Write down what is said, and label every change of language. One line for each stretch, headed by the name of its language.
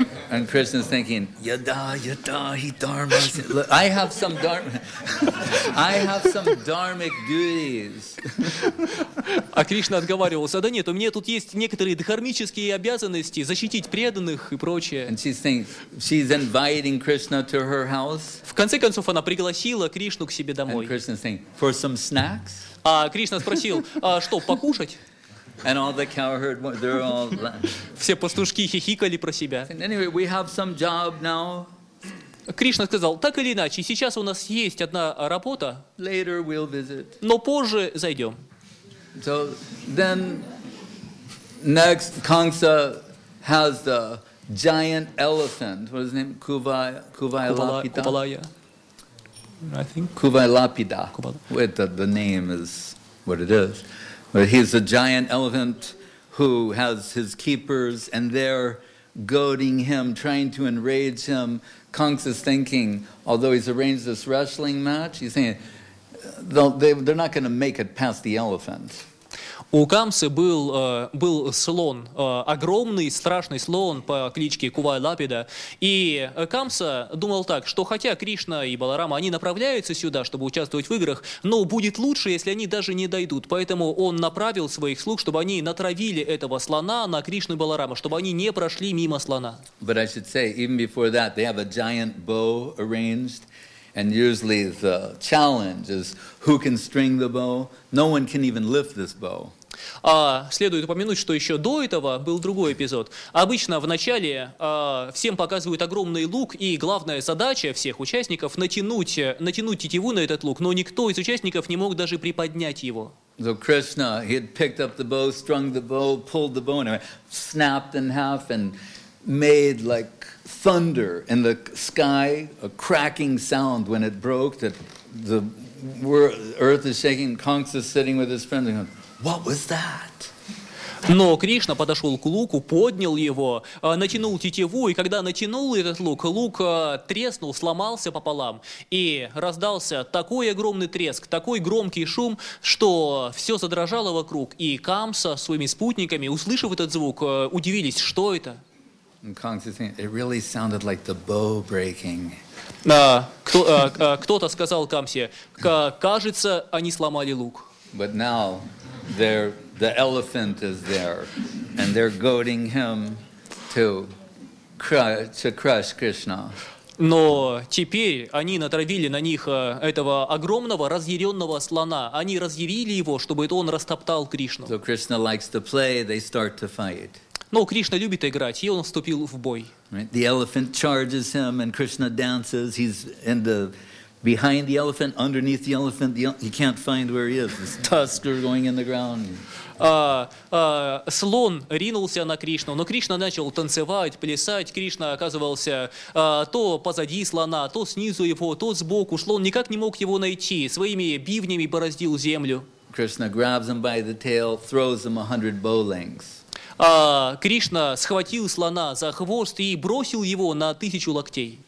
English: And Krishna's thinking,
Sanskrit: "Yada, yada, he dharma.
English: I have some dharma." I have some dharmic duties.
Russian: А Кришна отговаривался: да нет, у меня тут есть некоторые дхармические обязанности защитить преданных и прочее.
English: And she's saying, she's inviting Krishna to her house.
Russian: В конце концов, она пригласила Кришну к себе домой.
English: And Krishna's saying, for some snacks?
Russian: А Кришна спросил: а что, покушать?
English: And all the cowherd, they're all.
Russian: Все пастушки хихикали про себя.
English: Anyway, we have some job now.
Russian: Кришна сказал: так или иначе, сейчас у нас есть одна работа.
English: Later we'll visit.
Russian: Но позже зайдем.
English: So then, next, Kamsa has the giant elephant. What is his name? Kuvailapita. Kuvalaya. I think. Kuvailapita. Wait, the name is what it is. But he's a giant elephant who has his keepers, and they're goading him, trying to enrage him. Kamsa's thinking, although he's arranged this wrestling match, he's saying they're not going to make it past the elephant.
Russian: У Камсы был слон, огромный страшный слон по кличке Кувайлапида. И Камса думал так, что хотя Кришна и Баларама, они направляются сюда, чтобы участвовать в играх, но будет лучше, если они даже не дойдут. Поэтому он направил своих слуг, чтобы они натравили этого слона на Кришну и Баларама, чтобы они не прошли мимо слона.
English: But I should say, even before that, they have a giant bow arranged. And usually the challenge is who can string the bow. No one can even lift this bow.
Russian: Следует упомянуть, что еще до этого был другой эпизод. Обычно в начале всем показывают огромный лук, и главная задача всех участников натянуть тетиву на этот лук. Но никто из участников не мог даже приподнять его.
English: So Krishna, he had picked up the bow, strung the bow, pulled the bow, and snapped in half and made like thunder in the sky, a cracking sound when it broke, that the earth is shaking. Kamsa is sitting with his friends and going, what was that?
Russian: Но Кришна подошел к луку, поднял его, натянул тетиву, и когда натянул этот лук, лук треснул, сломался пополам, и раздался такой огромный треск, такой громкий шум, что все задрожало вокруг, и Камса с своими спутниками, услышав этот звук, удивились, что это.
English: And Kong's saying, it really sounded like the bow breaking.
Russian: Кто-то сказал Камсе, кажется, они сломали лук.
English: But now, the elephant is there, and they're goading him to crush Krishna.
Russian: Но теперь они натравили на них этого огромного разъяренного слона. Они разъярили его, чтобы он растоптал Кришну.
English: So Krishna likes to play, they start to fight.
Russian: Но Кришна любит играть, и он вступил в бой.
English: Right. The elephant charges him, and Krishna dances. He's behind the elephant, underneath the elephant. He can't find where he is. His tusks are going in the ground.
Russian: Слон ринулся на Кришну, но Кришна начал танцевать, плясать. Кришна оказывался то позади слона, то снизу его, то сбоку. Слон никак не мог его найти. Своими бивнями бороздил землю.
English: Krishna grabs him by the tail, throws him 100 bow lengths.
Russian: Кришна схватил слона за хвост и бросил его на 1000 локтей.